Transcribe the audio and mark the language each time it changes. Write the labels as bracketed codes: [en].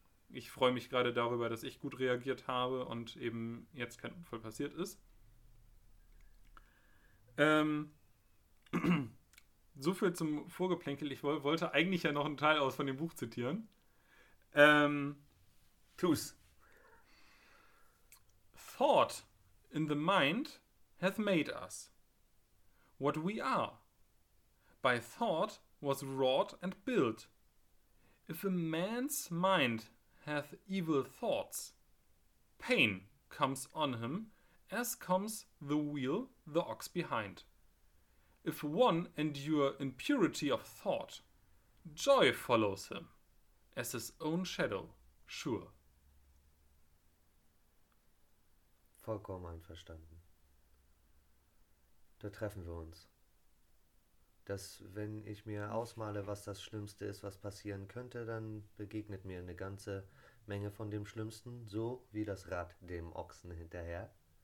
[de] Ich freue mich gerade darüber, dass ich gut reagiert habe und eben jetzt kein Unfall passiert ist. So viel zum Vorgeplänkel. Ich wollte eigentlich ja noch einen Teil aus von dem Buch zitieren. Tu's. [en] Thought in the mind hath made us what we are. By thought was wrought and built. If a man's mind hath evil thoughts, pain comes on him as comes the wheel the ox behind. If one endure in purity of thought, joy follows him as his own shadow, sure. [de] Vollkommen einverstanden. Da treffen wir uns. Dass, wenn ich mir ausmale, was das Schlimmste ist, was passieren könnte, dann begegnet mir eine ganze Menge von dem Schlimmsten, so wie das Rad dem Ochsen hinterher.